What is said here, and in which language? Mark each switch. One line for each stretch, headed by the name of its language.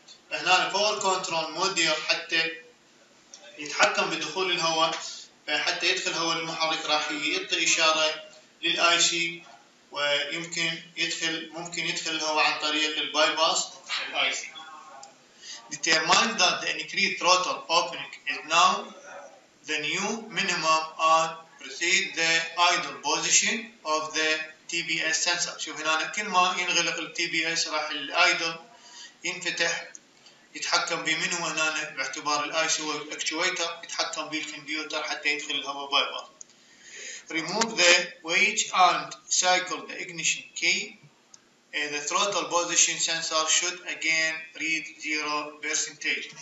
Arabic: فهنا الباور كنترول موديل حتى يتحكم بدخول الهواء، حتى يدخل هواء المحرك راح يعطي اشاره للاي سي، ويمكن يدخل ممكن يدخل الهواء عن طريق الباي باس الاي سي.
English: Determine that the increased throttle opening is now the new minimum and proceed the idle position of the TBS sensor.
Arabic: شوف هنا كل ما ينغلق الـ TBS راح الـ idle ينفتح، يتحكم به من هو هنا باعتبار الـ IC هو الاكتويتر، يتحكم به الكمبيوتر حتى يدخل الهواء بايبر.
English: Remove the weight and cycle the ignition key. The throttle position sensor should again read 0%.